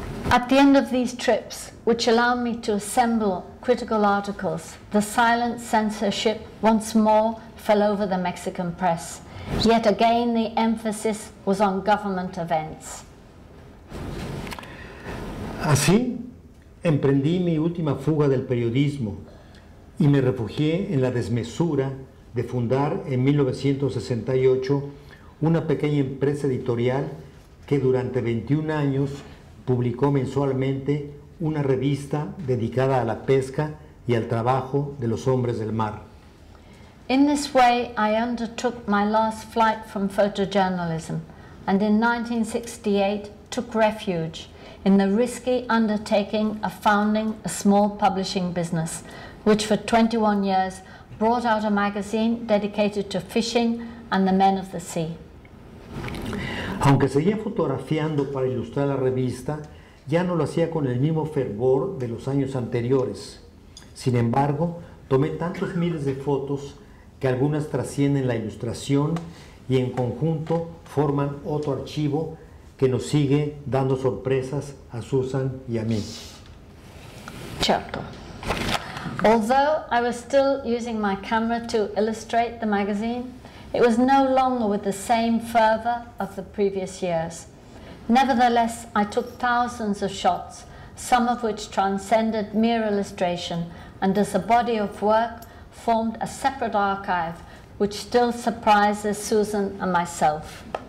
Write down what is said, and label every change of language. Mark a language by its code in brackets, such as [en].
[en] At the end of these trips, which allowed me to assemble critical articles, the silent censorship once more fell over the Mexican press. Yet again, the emphasis was on government events. [es] Así, emprendí mi última fuga del periodismo y me refugié en la desmesura de fundar en 1968 una pequeña empresa editorial que durante 21 años publicó mensualmente una revista dedicada a la pesca y al trabajo de los hombres del mar. [en] In this way, I undertook my last flight from photojournalism and in 1968 took refuge in the risky undertaking of founding a small publishing business, which for 21 years brought out a magazine dedicated to fishing and the men of the sea. [es] Aunque seguía fotografiando para ilustrar la revista, ya no lo hacía con el mismo fervor de los años anteriores. Sin embargo, tomé tantos miles de fotos que algunas trascienden la ilustración y en conjunto forman otro archivo que nos sigue dando sorpresas a Susan y a mí. [en] Chapter. Although I was still using my camera to illustrate the magazine, it was no longer with the same fervor of the previous years. Nevertheless, I took thousands of shots, some of which transcended mere illustration, and as a body of work formed a separate archive which still surprises Susan and myself.